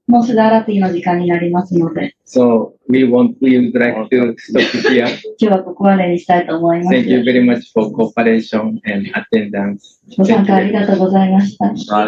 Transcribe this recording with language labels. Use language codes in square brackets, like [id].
[ja] もうすぐアラティの時間になりますので。 [en] So, we would like to stop here. [ja] 今日はここまでにしたいと思います。 [en] Thank you very much for cooperation and attendance. [ja] ご参加ありがとうございました。